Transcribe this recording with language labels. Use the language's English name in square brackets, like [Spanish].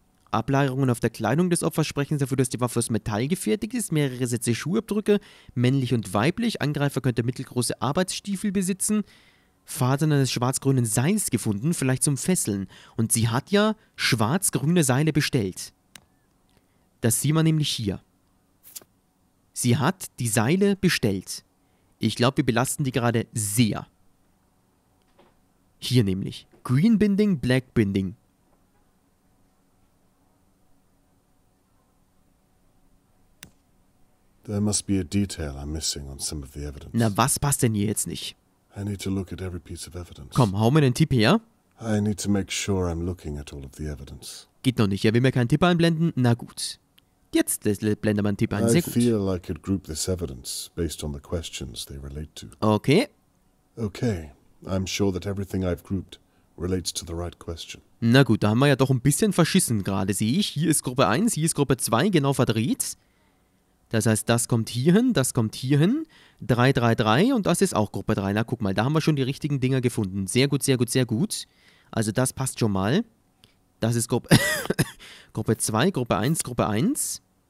[German] Ablagerungen auf der Kleidung des Opfers sprechen dafür, dass die Waffe aus Metall gefertigt ist, mehrere Sätze Schuhabdrücke, männlich und weiblich, Angreifer könnte mittelgroße Arbeitsstiefel besitzen, Fasern eines schwarz-grünen Seils gefunden, vielleicht zum Fesseln. Und sie hat ja schwarz-grüne Seile bestellt. Das sieht man nämlich hier. Sie hat die Seile bestellt. Ich glaube, wir belasten die gerade sehr. Hier nämlich. [English] Green Binding, Black Binding. There must be a detail I'm missing on some of the evidence. [German] Na, was passt denn hier jetzt nicht? [English] I need to look at every piece of evidence. [German] Komm, hau mir einen Tipp her. [English] I need to make sure I'm looking at all of the evidence. [German] Geht noch nicht, er will mir keinen Tipp einblenden. Na gut. Jetzt blendet man einen Tipp ein, sehr gut. [English] I feel I could group this evidence based on the questions they relate to. Okay. Okay, I'm sure that everything I've grouped relates to the right question. [German] Na gut, da haben wir ja doch ein bisschen verschissen gerade, sehe ich. Hier ist Gruppe 1, hier ist Gruppe 2, genau verdreht. Das heißt, das kommt hier hin, 3, 3, 3 und das ist auch Gruppe 3. Na guck mal, da haben wir schon die richtigen Dinger gefunden. Sehr gut, sehr gut, sehr gut. Also das passt schon mal. Das ist Gruppe 2, Gruppe 1, Gruppe 1.